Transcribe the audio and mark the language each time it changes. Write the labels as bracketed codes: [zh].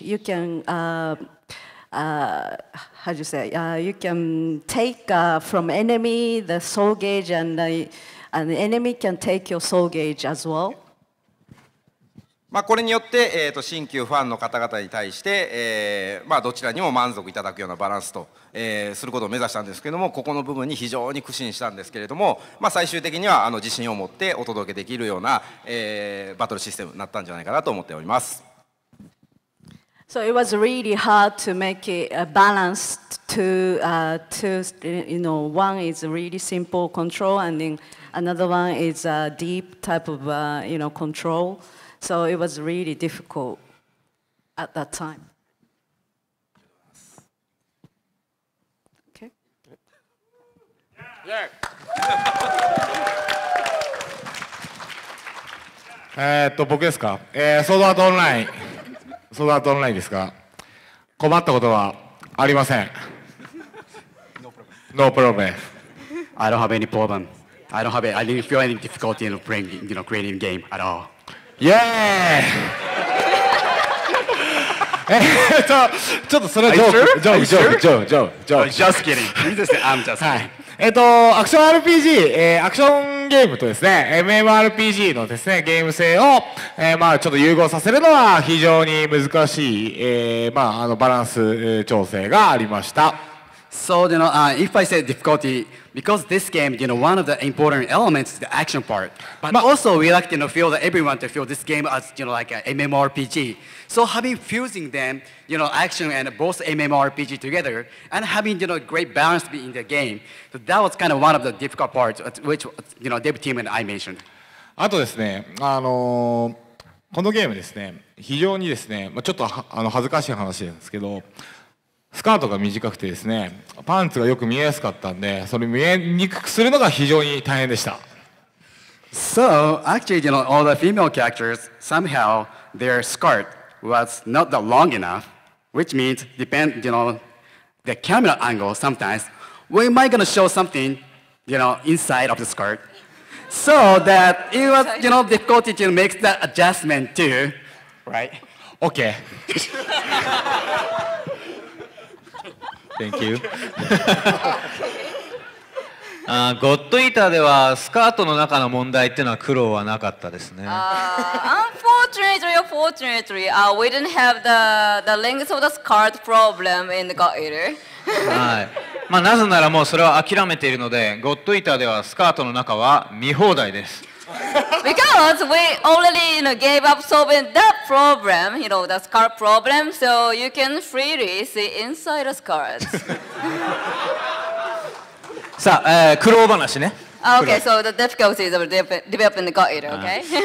[en] You can you can take from enemy the soul gauge, and the enemy can take your soul gauge as well. [ja] まあ、これによって新旧ファンの方々に対してまあどちらにも満足いただくようなバランスとすることを目指したんですけれども、ここの部分に非常に苦心したんですけれども、まあ最終的には自信を持ってお届けできるようなバトルシステムになったんじゃないかなと思っております。 [en] So it was really hard to make it balanced to, one is really simple control and then another one is a deep type of controlSo it was really difficult at that time. Okay. [ja] Yeah. 僕ですか。ソードアートオンライン、ソードアートオンラインですか。困ったことはありません。 [en] No problem. No problem. I don't have any problem. I don't have it. I didn't feel any difficulty in playing, creating game at all. [ja] イエーイちょっとそれはジョーク [en] I'm just kidding. I'm just kidding. [ja] アクション RPG、アクションゲームとですね、MMORPG のですね、ゲーム性を、まあ、ちょっと融合させるのは非常に難しい、まあ、バランス調整がありました。 [en] So, if I say difficulty, because this game, one of the important elements is the action part. But also, we like to feel that everyone to feel this game as, an MMORPG. So having fusing them, action and both MMORPG together, and having, great balance in the game, so that was kind of one of the difficult parts, which, dev team and I mentioned. [ja] あとですね、このゲームですね、非常にですね、ちょっと恥ずかしい話ですけど、スカートが短くてですね、パンツがよく見えやすかったんで、それ見えにくくするのが非常に大変でした。 [en] So, actually, all the female characters, somehow, their skirt was not that long enough, which means, depend, the camera angle sometimes, we might gonna show something, inside of the skirt. So that it was, difficult to make that adjustment too, right? Okay. Thank you. [ja] God Eater ではスカートの中の問題っていうのは苦労はなかったですね。 [en] Unfortunately, your unfortunately, we didn't have the length of the skirt problem in the God Eater. [ja] まあ、なぜならもうそれは諦めているので、ゴッドイーターではスカートの中は見放題です。 [en] Because we already, you know, gave up solving that problem, you know, the skirt problem, so you can freely see inside the skirt. [ja] さあ、苦労話ね。 [en] Okay, so the difficulties of developing the God Eater, okay?